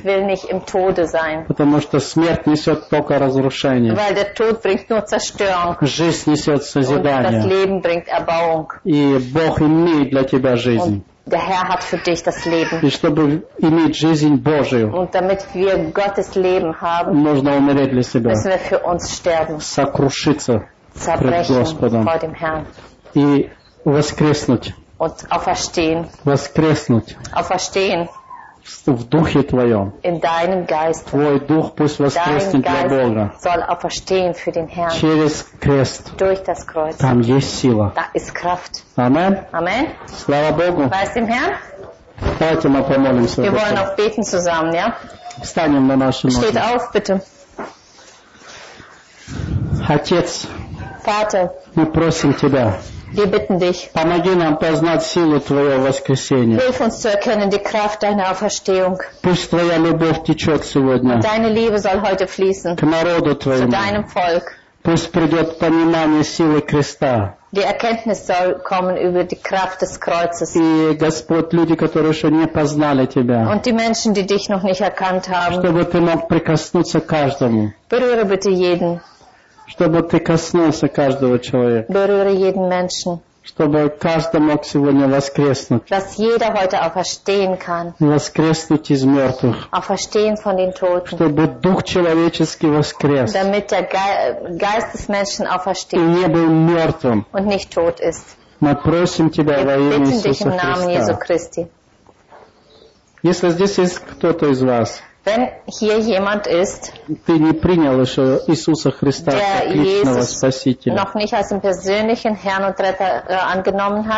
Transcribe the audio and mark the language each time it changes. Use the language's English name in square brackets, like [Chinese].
[German] Ich will nicht im Tode sein. [Russian] Потому что смерть несет только разрушение. [German] Weil der Tod bringt nur Zerstörung. [Russian] Жизнь несет созидание. [German] Und das Leben bringt Erbauung. [Russian] И Бог имеет для тебя жизнь. [German] Und der Herr hat für dich das Leben. [Russian] И чтобы иметь жизнь Божию. [German] Und damit wir Gottes Leben haben. [Russian] Нужно умереть для себя. [German] Müssen wir für uns sterben. [Russian] Сокрушиться пред Господом. [German] Vor dem Herrn. [Russian] И воскреснуть. [German] Und auferstehen. [Russian] Воскреснуть. [German] Auferstehen. [Russian] В духе твоем. [German] In deinem Geist. [Russian] Твой дух пусть воскреснет для Бога. [German] Soll auferstehen für den Herrn. [Russian] Через крест. [German] Durch das Kreuz. [Russian] Там есть сила. [German] Da ist Kraft. Amen. Amen. [Russian] Слава Богу. [German] Weiß dem Herrn. [Russian] Давайте мы помолимся. [German] Wir wollen auch beten zusammen, ja? [Russian] Встанем на наши ноги. [German] Steht auf, bitte. [Russian] Отец. [German] Vater. [Russian] Мы просим тебя. [German] Wir bitten dich. [Russian] Помоги нам познать силу твоего воскресения. [German] Hilf uns zu erkennen die Kraft deiner Auferstehung. [Russian] Пусть твоя любовь течет сегодня. [German] Und deine Liebe soll heute fließen. [Russian] К народу твоему. [German] Zu deinem Volk. [Russian] Пусть придет понимание силы креста. [German] Die Erkenntnis soll kommen über die Kraft des Kreuzes. [Russian] И Господь, люди, которые еще не познали тебя. [German] Und die Menschen, die dich noch nicht erkannt haben. [Russian] Чтобы ты мог прикоснуться каждому. [German] Berühre bitte jeden. [Russian] Чтобы ты коснулся каждого человека. [German] Berühre jeden Menschen. [Russian] Чтобы каждый мог сегодня воскреснуть. [German] Dass jeder heute auferstehen kann. [Russian] Воскреснуть из мертвых. [German] Auferstehen von den Toten. [Russian] Чтобы дух человеческий воскрес. [German] Damit der Geist des Menschen auferstehen. [Russian] И не был мертвым. [German] Und nicht tot ist. [Russian] Мы просим тебя во имя Иисуса Христа. [German] Wir bitten dich im Namen Jesu Christi. [Russian] Если здесь есть кто-то из вас. [German] Wenn hier jemand ist, [Russian] ты не принял еще Иисуса Христа как личного Спасителя, [German] der Jesus noch nicht als den persönlichen Herrn und Retter angenommen hat.